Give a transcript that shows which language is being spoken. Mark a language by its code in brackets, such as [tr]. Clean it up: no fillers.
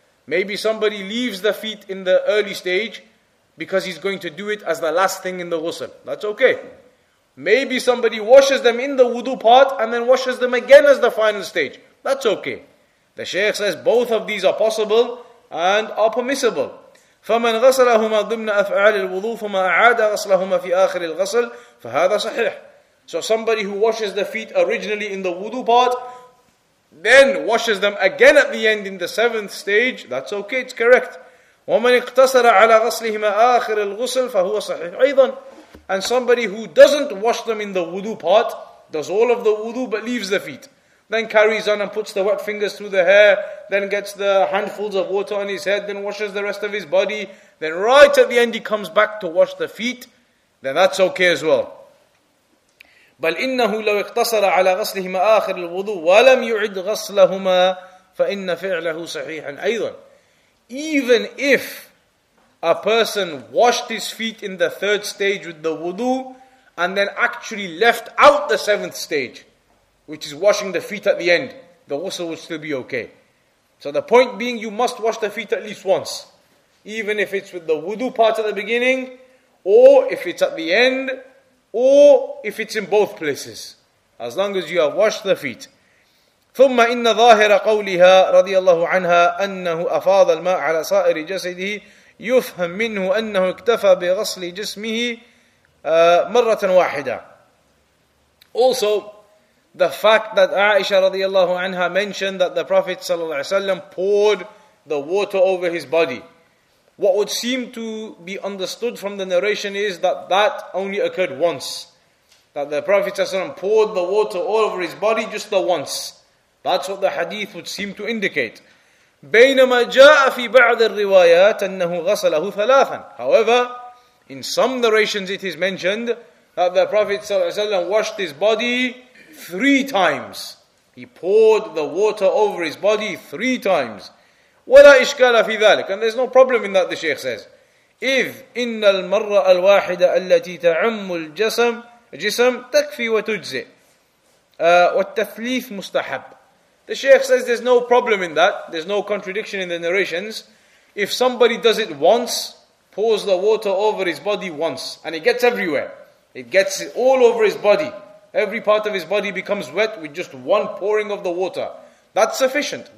[en] Maybe somebody leaves the feet in the early stage because he's going to do it as the last thing in the ghusl. That's okay. Maybe somebody washes them in the wudu part and then washes them again as the final stage. That's okay. The Shaykh says both of these are possible and are permissible. [ar] فمن غسلهما ضمن أفعال الوضوء فما أعاد غسلهما في آخر الغسل فهذا صحيح. [en] So somebody who washes the feet originally in the wudu part, then washes them again at the end in the seventh stage, that's okay, it's correct. [ar] ومن اقتصر على غسلهما آخر الغسل فهو صحيح أيضا. [en] And somebody who doesn't wash them in the wudu part, does all of the wudu but leaves the feet, then carries on and puts the wet fingers through the hair, then gets the handfuls of water on his head, then washes the rest of his body, then right at the end he comes back to wash the feet, then that's okay as well. [ar] بل إنه لو اقتصر على غسلهما آخر الوضوء ولم يعد غسلهما فإن فعله صحيحا أيضا. [en] Even if a person washed his feet in the third stage with the wudu and then actually left out the seventh stage, which is washing the feet at the end, the ghusl would still be okay. So the point being, you must wash the feet at least once, even if it's with the wudu part at the beginning, or if it's at the end, or if it's in both places, as long as you have washed the feet. [ar] ثم إن ظاهر قولها رضي الله عنها أنه أفاض الماء على سائر جسده يفهم منه أنه اكتفى بغسل جسمه مرة واحدة. [en] Also, the fact that Aisha radiallahu anha mentioned that the Prophet ﷺ poured the water over his body, what would seem to be understood from the narration is that that only occurred once. That the Prophet ﷺ poured the water all over his body just the once. That's what the hadith would seem to indicate. [ar] بينما جاء في بعض الروايات أنه غسله ثلاثا. [en] However, in some narrations it is mentioned that the Prophet ﷺ washed his body three times. He poured the water over his body three times. [ar] ولا إشكال في ذلك. [en] And there's no problem in that, the Sheikh says. [ar] إذ إن المرة الواحدة التي تعم الجسم تكفي وتجزئ والتثليث مستحب. [en] The Sheikh says there's no problem in that. There's no contradiction in the narrations. If somebody does it once, pours the water over his body once, and it gets everywhere, it gets all over his body, every part of his body becomes wet with just one pouring of the water, that's sufficient.